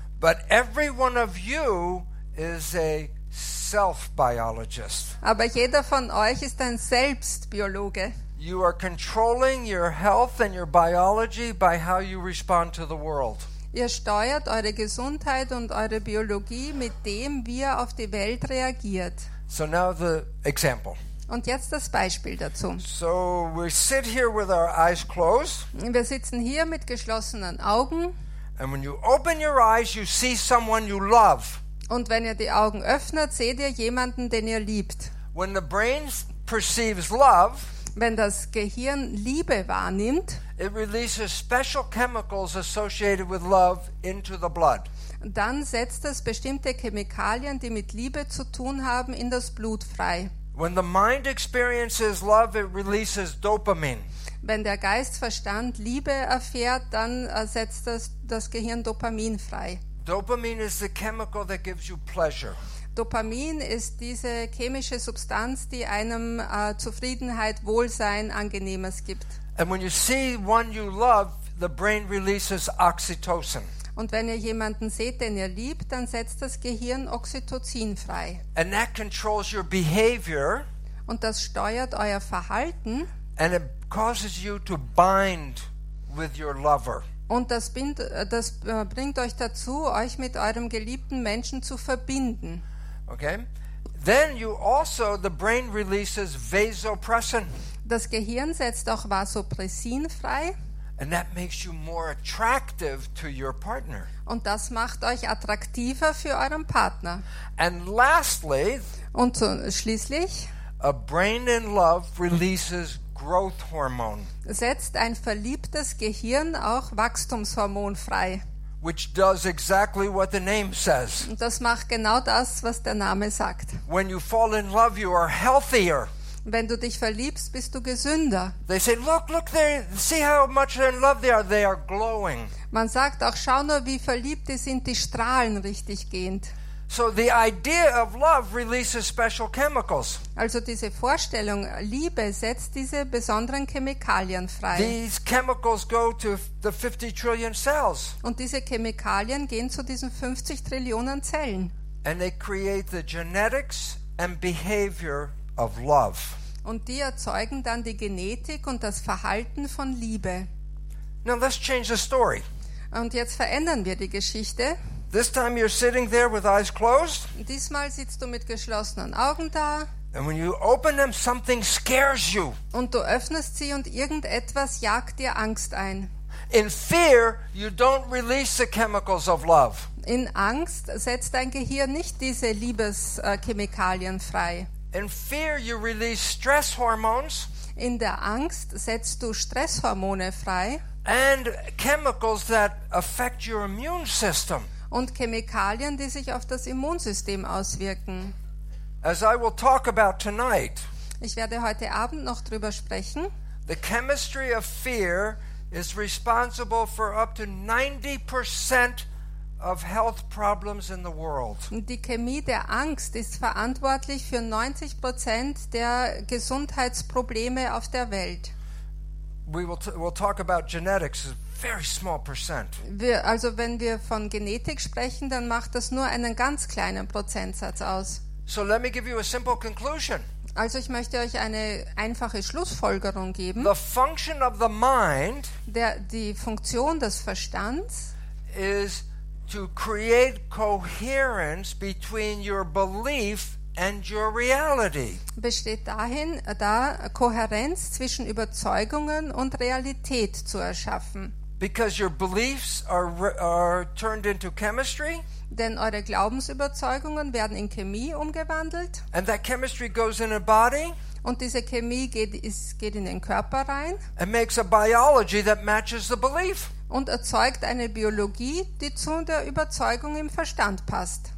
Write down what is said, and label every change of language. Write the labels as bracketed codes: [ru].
[en] But every one of you is a self-biologist. [de] Aber jeder von euch ist ein Selbstbiologe. [en] You are controlling your health and your biology by how you respond to the world. [de] Ihr steuert eure Gesundheit und eure Biologie mit dem, wie ihr auf die Welt reagiert. [en] So now the example. [de] Und jetzt das Beispiel dazu. [en] So we sit here with our eyes closed. [de] Wir sitzen hier mit geschlossenen Augen. [en] And when you open your eyes, you see someone you love. [de] Und wenn ihr die Augen öffnet, seht ihr jemanden, den ihr liebt. [en] When the brain perceives love, [de] wenn das Gehirn Liebe wahrnimmt, [en] it releases special chemicals associated with love into the blood. [de] Dann setzt es bestimmte Chemikalien, die mit Liebe zu tun haben, in das Blut frei. [en] When the mind experiences love, it releases dopamine. [de] Wenn der Geist Verstand Liebe erfährt, dann setzt das Gehirn Dopamin frei. [en] Dopamine is the chemical that gives you pleasure. [de] Dopamin ist diese chemische Substanz, die einem Zufriedenheit, Wohlsein, Angenehmes gibt. [en] And when you see one you love, the brain releases oxytocin. [de] Und wenn ihr jemanden seht, den ihr liebt, dann setzt das Gehirn Oxytocin frei. [en] And that controls your behavior. [de] Und das steuert euer Verhalten. [en] And it causes you to bind with your lover. [de] Und das bringt euch dazu, euch mit eurem geliebten Menschen zu verbinden. [en] Okay. Then you also, the brain releases vasopressin. [de] Das Gehirn setzt auch Vasopressin frei. [en] And that makes you more attractive to your partner. [de] Und das macht euch attraktiver für euren Partner. [en] And lastly, [de] und schließlich, [en] a brain in love releases growth hormone. [de] Setzt ein verliebtes Gehirn auch Wachstumshormon frei. [en] Which does exactly what the name says. [de] Das macht genau das, was der Name sagt. [en] When you fall in love, you are healthier. [de] Wenn du dich verliebst, bist du gesünder. [en] They say, look, they see how much they're in love. They are glowing. [de] Man sagt auch, schau nur, wie verliebt die sind, die strahlen richtig gehend. [en] So the idea of love releases special chemicals. [de] Also diese Vorstellung Liebe setzt diese besonderen Chemikalien frei. [en] These chemicals go to the 50 trillion cells. [de] Und diese Chemikalien gehen zu diesen 50 Trillionen Zellen. [en] And they create the genetics and behavior of love. [de] Und die erzeugen dann die Genetik und das Verhalten von Liebe. [en] Now let's change the story. [de] Und jetzt verändern wir die Geschichte. [en] This time you're sitting there with eyes closed. [de] Diesmal sitzt du mit geschlossenen Augen da. [en] And when you open them, something scares you. [de] Und du öffnest sie und irgendetwas jagt dir Angst ein. [en] In fear, you don't release the chemicals of love. [de] In Angst setzt dein Gehirn nicht diese Liebeschemikalien frei. [en] In fear, you release stress hormones. [de] In der Angst setzt du Stresshormone frei. [en] And chemicals that affect your immune system. [de] Und Chemikalien, die sich auf das Immunsystem auswirken. [en] As I will talk about tonight, [de] ich werde heute Abend noch drüber sprechen. [en] The chemistry of fear is responsible for up to 90% of health problems in the world. [de] Die Chemie der Angst ist verantwortlich für 90% der Gesundheitsprobleme auf der Welt. [en] We'll talk about genetics. Very small percent. [de] Also wenn wir von Genetik sprechen, dann macht das nur einen ganz kleinen Prozentsatz aus. [en] So let me give you a simple conclusion. [de] Also ich möchte euch eine einfache Schlussfolgerung geben. [en] The function of the mind, [de] die Funktion des Verstands, [en] is to create coherence between your belief and your reality. [de] Besteht dahin, da Kohärenz zwischen Überzeugungen und Realität zu erschaffen. [en] Because your beliefs are turned into chemistry. [de] Denn eure Glaubensüberzeugungen werden in Chemie umgewandelt. [en] And that chemistry goes in a body. [de] Und diese Chemie geht in den Körper rein. [en] And makes a biology that matches the belief. [de] Und erzeugt eine Biologie, die zu der Überzeugung im Verstand passt.